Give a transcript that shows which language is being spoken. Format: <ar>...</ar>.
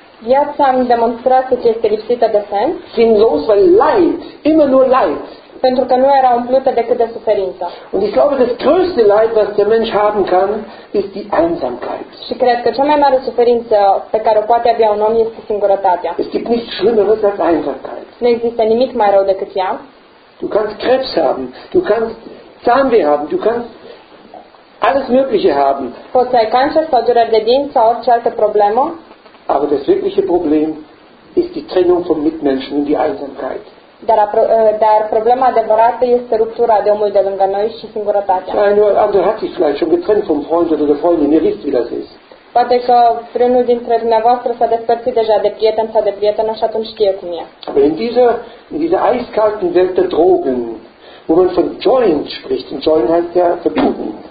<ro>Viața am demonstrat că este lipsită de sens.</ro> <de>Sinnlos, weil Leid, immer nur Leid.</de> <ro>Pentru că nu era umplută decât de suferință.</ro> <de>Und ich glaube, das größte Leid, was der Mensch haben kann, ist die Einsamkeit.</de> <ro>Și cred că cea mai mare suferință pe care o poate avea un om este singurătatea.</ro> <de>Es gibt nichts Schlimmeres als Einsamkeit.</de> <ro>Nu există nimic mai rău decât ea.</ro> <de>Du kannst Krebs haben, du kannst Zahnweh haben, du kannst alles Mögliche haben.</de> <ro>Poți să ai cancer sau dureri de dinți sau orice altă problemă.</ro> <de>Aber das wirkliche Problem ist die Trennung vom Mitmenschen und die Einsamkeit.</de> <ro>Dar problema adevărată este ruptura de omul de lângă noi și singurătatea. Poate că vreunul dintre dumneavoastră s-a despărțit deja de prieten sau de prietenă și atunci știe cum e.</ro> <de>Aber in dieser eiskalten Welt der Drogen, wo man von Joint spricht, und Joint heißt ja verbieten.</de>